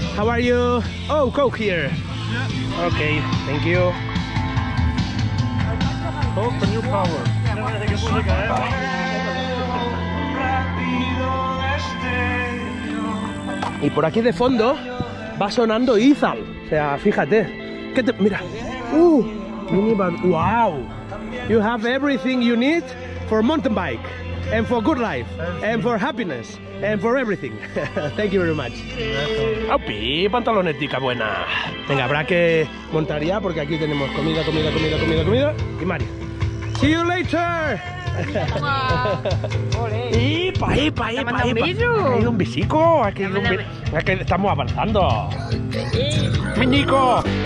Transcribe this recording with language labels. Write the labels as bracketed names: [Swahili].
[English] How are you? Oh, Coke here. Okay, thank you. Coke for new power. [Spanish] Y por aquí de fondo va sonando Izal. O sea, fíjate. ¿Qué te? Mira. Minivan. Wow. [English] You have everything you need for mountain bike and for good life and for happiness. And for everything. Thank you very much. ¡Aupi! [Spanish] Pantalonetica buena. Venga, habrá que montar ya porque aquí tenemos comida. [English] Y Mario. See you later. [Spanish] ¡Ipa! Un bisico. Estamos avanzando. ¡Minico!